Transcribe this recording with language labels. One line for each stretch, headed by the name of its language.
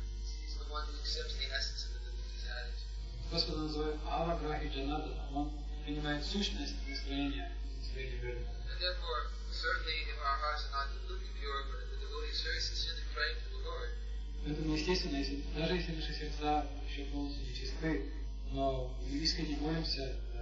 English: He's the one who accepts the essence of the devotee's attitude.
Russian: Господа называют Аваграхи Джанардана. Он принимает сущность настроения.
English: And therefore, certainly, if our hearts are not completely pure, but if the devotee is very sincerely praying to the Lord,
Russian: поэтому естественно, если, даже если наши сердца еще полностью нечисты, но мы искренне молимся